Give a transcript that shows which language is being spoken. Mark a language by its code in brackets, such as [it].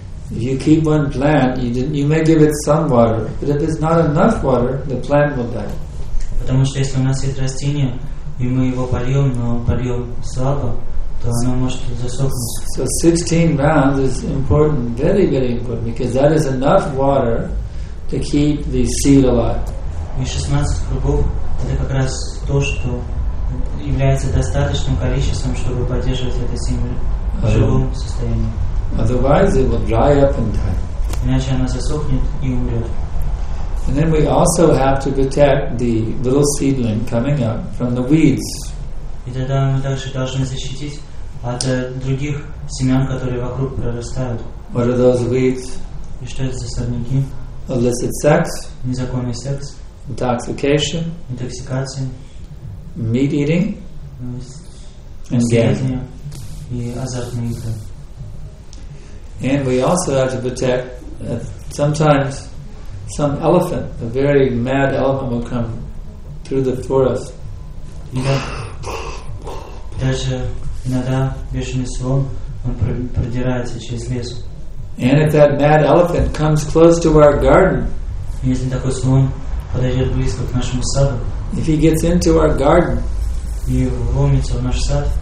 [en] If you keep one plant, you may give it some water, but if it's not enough water, the plant will die. [ru] Потому что если у нас есть растение, и мы его польем, но польем слабо, то оно может засохнуть. [en] So 16 rounds is important, very, very important, because that is enough water to keep the seed alive. [ru] И 16 кругов — это как раз то, что является достаточным количеством, чтобы поддерживать это семя в живом состоянии. [en] Otherwise it will dry up and die. [ru] Иначе она засохнет и умрет. [en] And then we also have to protect the little seedling coming up from the weeds. [ru] И тогда мы также должны защитить от других семян, которые вокруг прорастают. [en] What are those weeds? [ru] И что это за сорняки? [en] Illicit sex. [ru] Незаконный секс. [en] Intoxication. [ru] Интоксикация. [en] Meat eating and gambling. And we also have to protect sometimes some elephant, a very mad elephant will come through the forest. [ru] Даже иногда бешеный слон, он продирается через лес. [en] And if that mad elephant comes close to our garden, [ru] если такой слон подойдет близко к нашему саду, [en] if he gets into our garden, [ru] и вломится в наш сад,